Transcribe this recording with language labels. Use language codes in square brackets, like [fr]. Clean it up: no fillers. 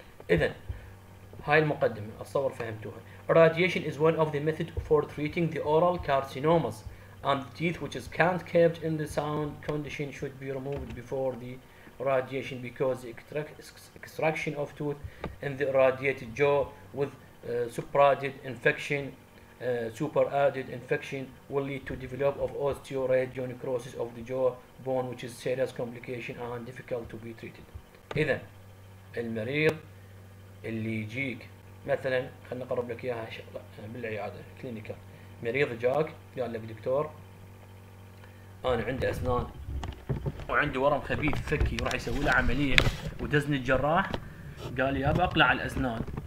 [ar] اذا هاي المقدمه اتصور فهمتوها. [en] Radiation is one of the methods for treating the oral carcinomas and the teeth which is can't kept in the sound condition should be removed before the radiation because the extraction of tooth in the irradiated jaw with supradid infection superadded infection will lead to develop of osteoradionecrosis of the jaw bone which is serious complication and difficult to be treated. [ar] اذا المريض اللي يجيك مثلا خلنا نقرب لك اياها بالعياده كلينيكا مريض جاك قال لك دكتور انا عندي اسنان وعندي ورم خبيث فكي وراح يسوي له عمليه ودزني الجراح قال لي ابى اقلع الاسنان.